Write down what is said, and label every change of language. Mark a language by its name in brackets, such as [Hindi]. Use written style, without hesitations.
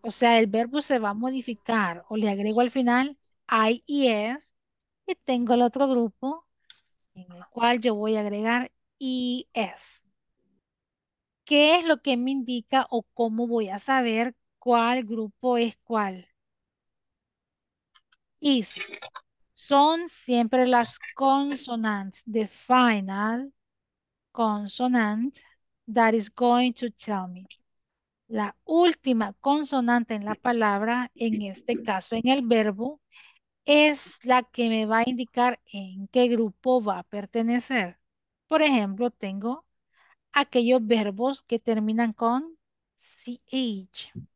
[Spanish] O sea, el verbo se va a modificar. O le agrego al final IES. Y tengo el otro grupo en el cual yo voy a agregar ES. ¿Qué es lo que me indica o cómo voy a saber cuál grupo es cuál? [English] Is. [Spanish] Son siempre las consonants, [English] the final consonant that is going to tell me. [Spanish] La última consonante en la palabra, en este caso en el verbo, es la que me va a indicar en qué grupo va a pertenecer. Por ejemplo, tengo aquellos verbos que terminan con ch.